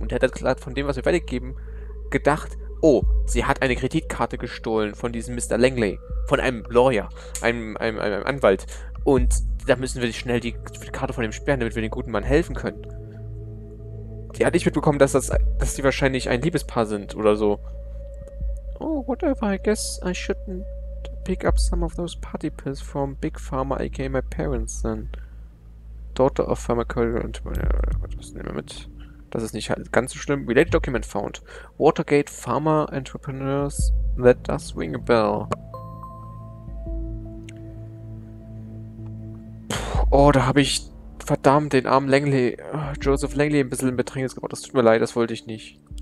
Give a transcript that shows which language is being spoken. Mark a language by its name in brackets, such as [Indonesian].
[German] Und der hat gerade von dem, was wir weitergeben, gedacht, oh, sie hat eine Kreditkarte gestohlen von diesem Mr. Langley. Von einem Lawyer, einem Anwalt. Und da müssen wir schnell die Karte von ihm sperren, damit wir dem guten Mann helfen können. Die hat nicht mitbekommen, dass sie wahrscheinlich ein Liebespaar sind oder so. [English] Oh, whatever, I guess I shouldn't pick up some of those party pills from Big Pharma, aka my parents then. Daughter of Pharmacologist [German] und... Das nehmen wir mit. Das ist nicht ganz so schlimm. [English] Related Document found. Watergate Pharma Entrepreneurs that does ring a bell. [German] Puh, oh, da habe ich verdammt den armen Langley, Joseph Langley, ein bisschen in Bedrängnis gebracht. Das tut mir leid, das wollte ich nicht.